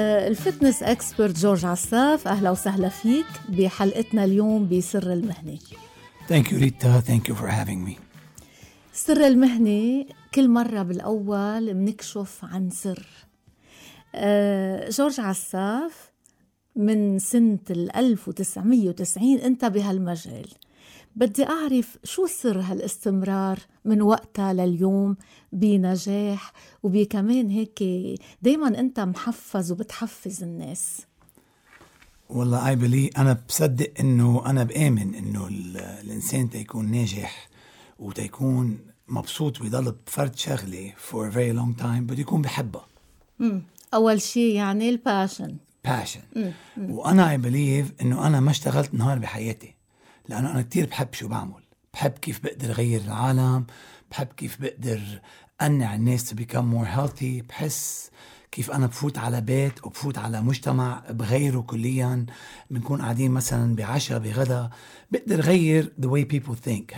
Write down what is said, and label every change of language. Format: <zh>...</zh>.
<ar>الفتنس أكسبرت جورج عساف، أهلا وسهلا فيك بحلقتنا اليوم بسر المهنة.</ar> <en>Thank you Rita, thank you for having me.</en> <ar>سر المهنة كل مرة بالأول منكشف عن سر. جورج عساف، من سنة 1990 أنت بهالمجال، بدي أعرف شو سر هالاستمرار من وقتها لليوم بنجاح، وبكمان هيك دايما أنت محفز وبتحفز الناس. والله</ar> <en>I believe,</en> <ar>أنا بصدق أنه أنا بآمن أنه الإنسان تيكون ناجح وتيكون مبسوط ويضل بفرد شغلي</ar> <en>for a very long time</en> <ar>بده يكون بحبه. أول شيء يعني الباشن. باشن. وأنا</ar> <en>I believe</en> <ar>إنه أنا ما اشتغلت نهار بحياتي لأنه أنا كتير بحب شو بعمل. بحب كيف بقدر أغير العالم. بحب كيف بقدر أنع الناس</ar> <en>to become more healthy.</en> <ar>بحس كيف أنا بفوت على بيت وبفوت على مجتمع بغيره كليا. بنكون قاعدين مثلا بعشاء بغدا. بقدر غير</ar> <en>the way people think.</en>